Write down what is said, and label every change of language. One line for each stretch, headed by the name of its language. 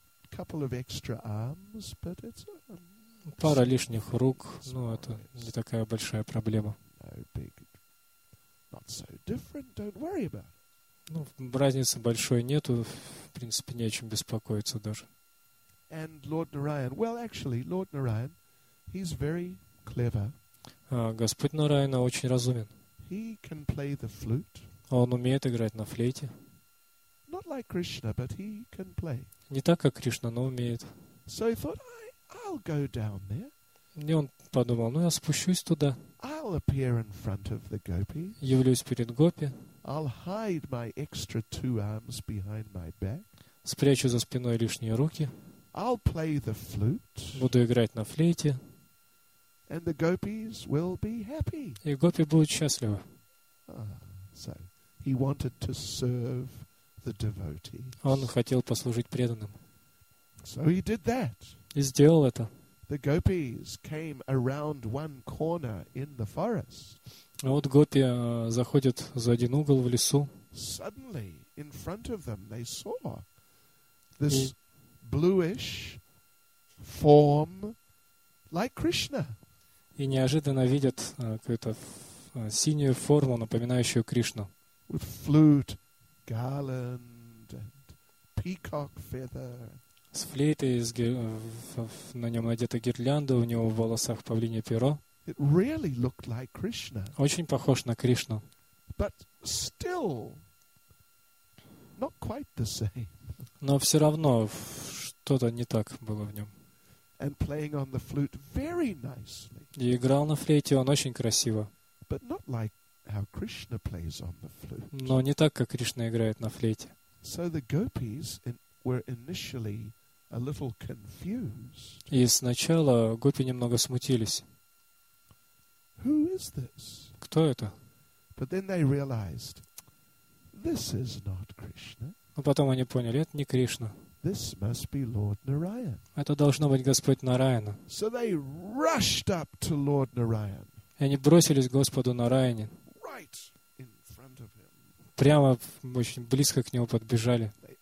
English: Couple of extra arms, but it's
Russian: пара лишних рук, ну, это не такая большая проблема.
English: Not so different, don't worry about it.
Russian: Ну, разницы большой нету, в принципе, не о чем беспокоиться даже.
English: And Lord Narayan, well, actually, Lord Narayan, he's very clever.
Russian: Господь Нараяна очень разумен.
English: He can play the flute.
Russian: Он умеет играть на флейте.
English: Not like Krishna, but he can play.
Russian: Не так, как Кришна, но умеет.
English: So he thought, I'll go down there.
Russian: И он подумал, ну, я спущусь туда.
English: I'll appear in front of the gopis.
Russian: Явлюсь перед гопи.
English: I'll hide my extra two arms behind my back.
Russian: Спрячу за спиной лишние руки.
English: I'll play the flute.
Russian: Буду играть на флейте.
English: And the gopis will be happy.
Russian: И гопи будут счастливы.
English: So he wanted to serve the devotees.
Russian: Он хотел послужить преданным.
English: So he did that.
Russian: И сделал это.
English: The gopis came around one corner in the forest.
Russian: А вот гопи заходят за один угол в лесу.
English: Suddenly, in front of them, they saw this bluish form like Krishna.
Russian: И неожиданно видят какую-то синюю форму, напоминающую Кришну.
English: With flute, garland, and peacock feather.
Russian: С флейтой, на нем надета гирлянда, у него в волосах павлинье перо.
English: It really looked like Krishna.
Russian: Очень похож на Кришну.
English: But still, not quite the same.
Russian: Но все равно что-то не так было в нем.
English: And playing on the flute very nicely.
Russian: И играл на флейте он очень красиво.
English: But not like how Krishna plays on the flute.
Russian: Но не так, как Кришна играет на флейте.
English: So the gopis were initially a little confused.
Russian: И сначала гопи немного смутились.
English: Who is this?
Russian: Кто это?
English: But then they realized, this is not Krishna.
Russian: Но потом они поняли, это не Кришна.
English: This must be Lord Narayan.
Russian: Это должно быть Господь Нараяна.
English: So they rushed up to Lord Narayan.
Russian: И они бросились к Господу Нараяне.
English: Right in front of him.
Russian: Прямо очень близко к нему подбежали.